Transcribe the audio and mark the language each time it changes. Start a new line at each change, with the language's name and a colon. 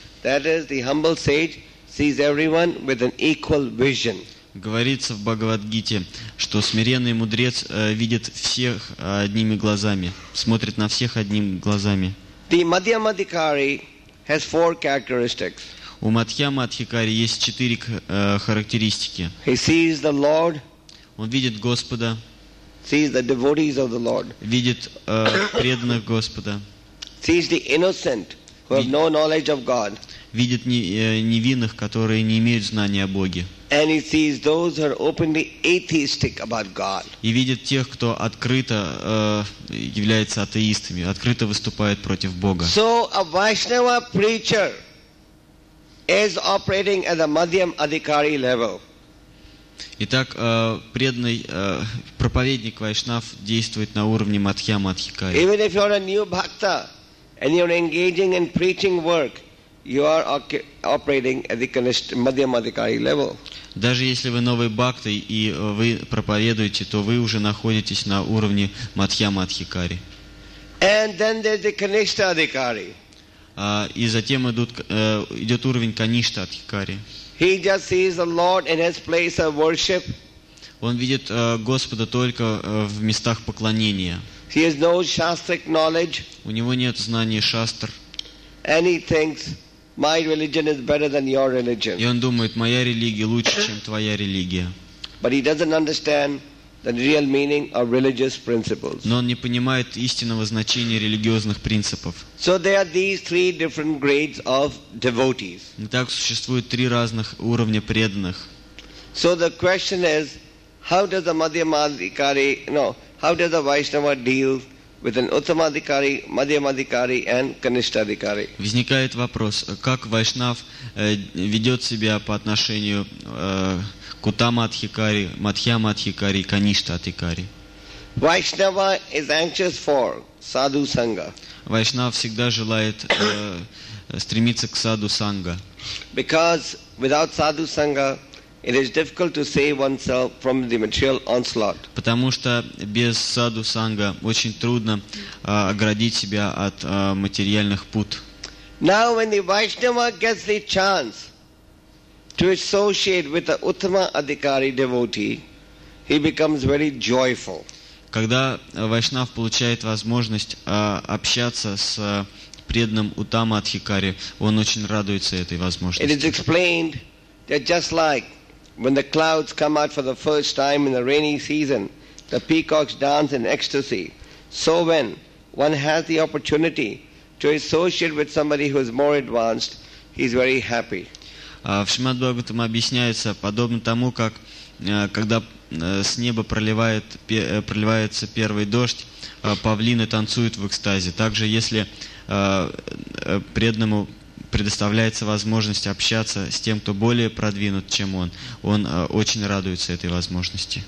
English: That is, the humble sage sees everyone with an equal vision.
Russian: Говорится в Бхагавад-гите, что смиренный мудрец видит всех одними глазами, смотрит на всех одними глазами.
English: The Madhyama Adhikari has four characteristics.
Russian: У Мадхьяма Адхикари есть четыре характеристики.
English: He sees the Lord.
Russian: Он видит Господа.
English: Sees the devotees of the Lord.
Russian: Видит преданных Господа.
English: Sees the innocent who have no knowledge of God.
Russian: Видит невинных, которые не имеют знания о Боге.
English: And he sees those who are openly atheistic about God.
Russian: И видит тех, кто открыто является атеистами, открыто выступает против Бога.
English: So a Vaishnava preacher is operating at the Madhyam Adhikari level.
Russian: Итак, преданный проповедник Вайшнав действует на уровне Мадхьяма Адхикари.
English: Even if you are a new bhakta and you are engaging in preaching work, you are operating at the Madhyam Adhikari level.
Russian: Даже если вы новый бхакта и вы проповедуете, то вы уже находитесь на уровне Мадхьяма Адхикари.
English: And then there's the Kanishtha Adhikari.
Russian: И затем идет уровень Kanishtha Adhikari.
English: He just sees the Lord in his place of worship.
Russian: Он видит Господа только в местах поклонения.
English: He has no shastric knowledge.
Russian: У него нет знаний шастр.
English: And he thinks my religion is better than your religion.
Russian: И он думает, моя религия лучше, чем твоя религия.
English: But he doesn't understand the real meaning of religious principles.
Russian: Но он не понимает истинного значения религиозных принципов.
English: So there are these three different grades of devotees.
Russian: Итак, существует три разных уровня преданных.
English: So the question is, how does a Vaishnava deal with an Uttama Adhikari, Madhyama Adhikari and Kanishtha Adhikari?
Russian: Возникает вопрос, как Вайшнав ведет себя по отношению к Уттама Адхикари, Мадхьяма Адхикари и Каништа Адхикари?
English: Vaishnava is anxious for Sadhu Sangha.
Russian: Вайшнав всегда желает стремиться к Sadhu Sangha.
English: Because without Sadhu Sangha, it is difficult to save oneself from the material onslaught.
Russian: Потому что без саду санга очень трудно оградить себя от материальных пут.
English: Now, when the Vaishnava gets the chance to associate with the Uttama Adhikari devotee, he becomes very joyful.
Russian: Когда Вайшнав получает возможность общаться с преданным Уттама Адхикари, он очень радуется этой возможности.
English: It is explained that just like when the clouds come out for the first time in the rainy season, the peacocks dance in ecstasy. So when one has the opportunity to associate with somebody who is more advanced, he is very happy.
Russian: В Шримад-Бхагаватам объясняется, подобно тому, как когда с неба проливается первый дождь, павлины танцуют в экстазе. Также, если преданному предоставляется возможность общаться с тем, кто более продвинут, чем он очень радуется этой возможности.